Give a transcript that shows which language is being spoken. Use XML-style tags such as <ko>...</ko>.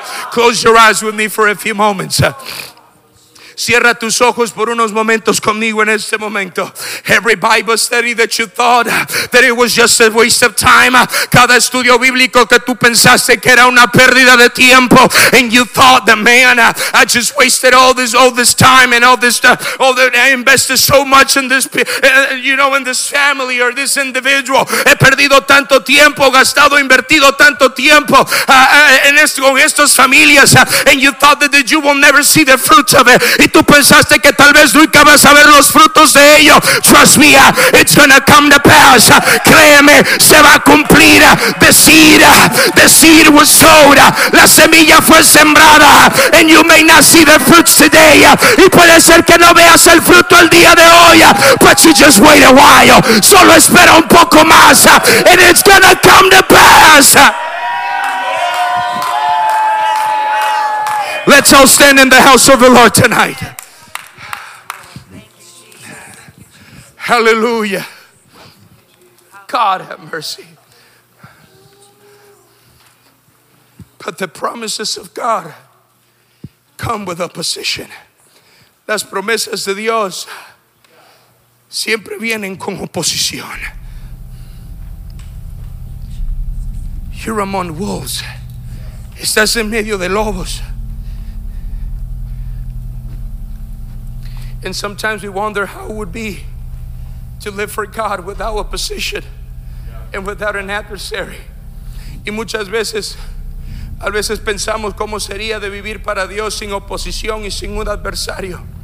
<en>Close your eyes with me for a few moments.</en> <es>Cierra tus ojos por unos momentos conmigo en este momento.</es> <en>Every Bible study that you thought that it was just a waste of time.</en> <es>Cada estudio bíblico que tú pensaste que era una pérdida de tiempo.</es> <en>And you thought that, man, I just wasted all this time and all this all that I invested so much in this, you know, in this family or this individual.</en> <es>He perdido tanto tiempo, gastado, invertido tanto tiempo en esto, con estas familias.</es> <en>And you thought that you will never see the fruits of it.</en> <es>Y tú pensaste que tal vez nunca vas a ver los frutos de ello.</es> <en>Trust me, it's gonna come to pass.</en> <es>Créeme, se va a cumplir.</es> <en>The seed was sowed.</en> <es>La semilla fue sembrada.</es> <en>And you may not see the fruits today.</en> <es>Y puede ser que no veas el fruto el día de hoy.</es> <en>But you just wait a while.</en> <es>Solo espera un poco más.</es> <en>And it's gonna come to pass. Let's all stand in the house of the Lord tonight. Hallelujah. God have mercy. But the promises of God come with opposition.</en> <es>Las promesas de Dios siempre vienen con oposición.</es> <en>You're among wolves.</en> <es>Estás en medio de lobos.</es> <en>And sometimes we wonder how it would be to live for God without opposition and without an adversary.</en> <es>Y muchas veces, a veces pensamos cómo sería de vivir para Dios sin oposición y sin un adversario.</es>